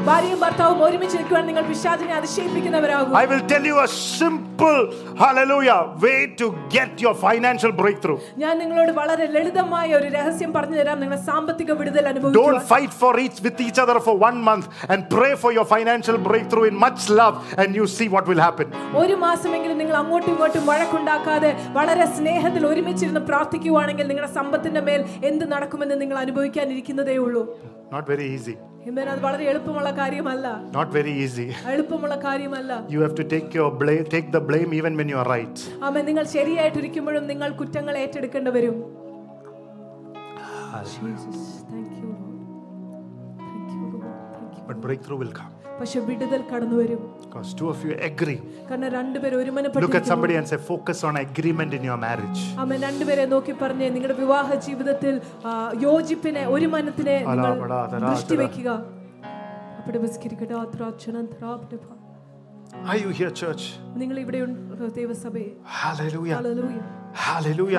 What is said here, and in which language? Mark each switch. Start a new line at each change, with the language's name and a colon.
Malayalam: ഭാര്യയും ഭർത്താവും ഒരുമിച്ച് നിൽക്കുവാൻ നിങ്ങൾ പിശാചിനെ അതിശയിപ്പിക്കുന്നവരാകും.
English: I will tell you a simple hallelujah way to get your financial breakthrough.
Malayalam: ഞാൻ നിങ്ങളോട് വളരെ ലളിതമായ ഒരു രഹസ്യം പറഞ്ഞു തരാം. നിങ്ങളുടെ സാമ്പത്തിക വിടുതൽ അനുഭവിക്കുക.
English: Don't fight with each other for 1 month and pray for your financial breakthrough in much love and you see what will happen.
Malayalam: ഒരു മാസമെങ്കിലും നിങ്ങൾ അങ്ങോട്ടും ഇങ്ങോട്ടും വഴക്കുണ്ടാക്കാതെ വളരെ സ്നേഹത്തിൽ ഒരുമിച്ചിരുന്ന് പ്രാർത്ഥിക്കുകയാണെങ്കിൽ നിങ്ങളുടെ സമ്പത്തിന്റെ മേൽ എന്ത് നടക്കുമെന്ന് നിങ്ങൾ അനുഭവിക്കാനിരിക്കുന്നതേ ഉള്ളൂ.
English: Not very easy.
Malayalam: Amen. അത് വളരെ എളുപ്പമുള്ള കാര്യമല്ല.
English: Not very easy.
Malayalam: എളുപ്പമുള്ള കാര്യമല്ല.
English: You have to take the blame even when you are right. Amen.
Malayalam: നിങ്ങൾ ശരിയായിട്ട് ഇരിക്കുമ്പോഴും നിങ്ങൾ കുറ്റങ്ങൾ ഏറ്റെടുക്കേണ്ടി വരും.
English: Jesus, thank you. But breakthrough will come.
Malayalam: പക്ഷേ വിടുതൽ കടന്നു വരും.
English: Because two of you agree.
Malayalam: കാരണം രണ്ടുപേരും ഒരുമനപ്പെട്ട്
English: Look at somebody and say focus on agreement in your marriage.
Malayalam: ആമേൻ. രണ്ടുപേരെയും നോക്കി പറഞ്ഞേ നിങ്ങളുടെ വിവാഹ ജീവിതത്തിൽ യോജിപ്പിനെ ഒരുമനത്തിനെ നിങ്ങൾ ദൃഷ്ടി വെക്കുക. അപ്പോൾ വിസ്കരിക്കട്ടെ ആത്രാച്ചനന്ത്രാപ്തി.
English: Are you here, church?
Malayalam: നിങ്ങൾ ഇവിടെ ഉണ്ടോ ദൈവസഭയേ?
English: Hallelujah. Hallelujah. Hallelujah.